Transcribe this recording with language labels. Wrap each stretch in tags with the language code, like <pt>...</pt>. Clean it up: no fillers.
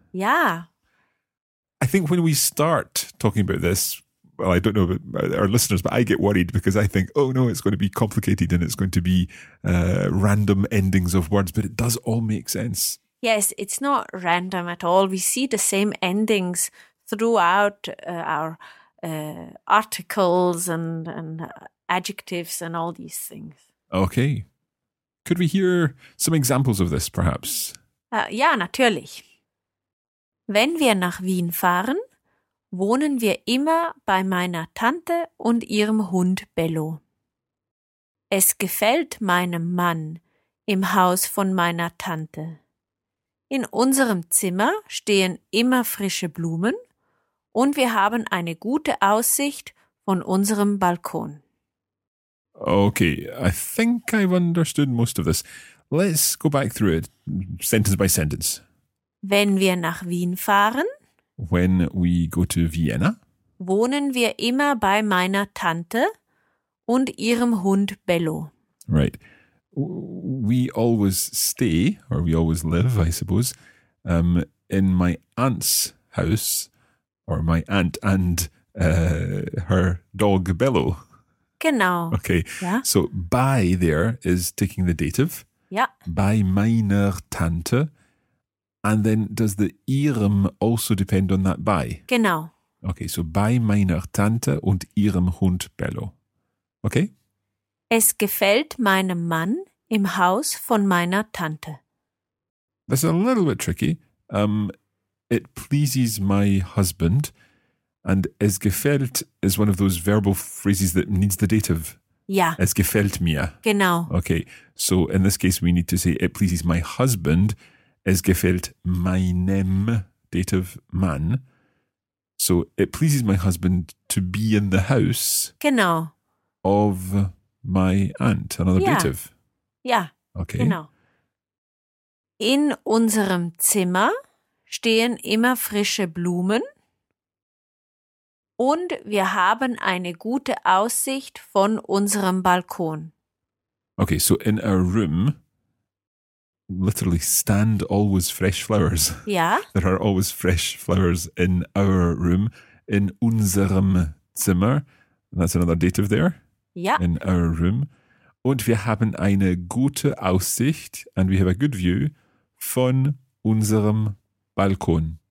<de>Ja.</de> <en>I think when we start talking about this, well, I don't know about our listeners, but I get worried because I think, oh no, it's going to be complicated and it's going to be random endings of words, but it does all make sense. Yes, it's not random at all. We see the same endings throughout our articles and adjectives and all these things. Okay. Could we hear some examples of this, perhaps?</en> <de>Ja, natürlich. Wenn wir nach Wien fahren, wohnen wir immer bei meiner Tante und ihrem Hund Bello. Es gefällt meinem Mann im Haus von meiner Tante. In unserem Zimmer stehen immer frische Blumen und wir haben eine gute Aussicht von unserem Balkon.</de> <en>Okay, I think I've understood most of this. Let's go back through it, sentence by sentence.</en> <de>Wenn wir nach Wien fahren,</de> <en>when we go to Vienna,</en> <de>wohnen wir immer bei meiner Tante und ihrem Hund Bello.</de> <en>Right. We always stay, or we always live, I suppose, in my aunt's house, or my aunt and her dog Bello.</en> <de>Genau.</de> <en>Okay. Yeah. So by there is taking the dative. Yeah.</en> <de>By meiner Tante.</de> <en>And then does the ihrem also depend on that by?</en> <de>Genau.</de> <en>Okay.</en> <de>So by meiner Tante und ihrem Hund Bello.</de> <en>Okay.</en> <de>Es gefällt meinem Mann im Haus von meiner Tante.</de> <en>That's a little bit tricky. It pleases my husband. And es gefällt is one of those verbal phrases that needs the dative. Yeah.</en> <de>Es gefällt mir. Genau.</de> <en>Okay. So in this case, we need to say it pleases my husband.</en> <de>Es gefällt meinem dative Mann.</de> <en>So it pleases my husband to be in the house.</en> <de>Genau.</de> <en>Of my aunt. Another dative. Yeah. Okay.</en> <de>Genau. In unserem Zimmer stehen immer frische Blumen. Und wir haben eine gute Aussicht von unserem Balkon.</de> <en>Okay, so in our room, literally stand always fresh flowers. Yeah. There are always fresh flowers in our room.</en> <de>In unserem Zimmer,</de> <en>that's another dative there. Yeah. In our room.</en> <de>Und wir haben eine gute Aussicht,</de> <en>and we have a good view,</en> <de>von unserem Balkon.</de>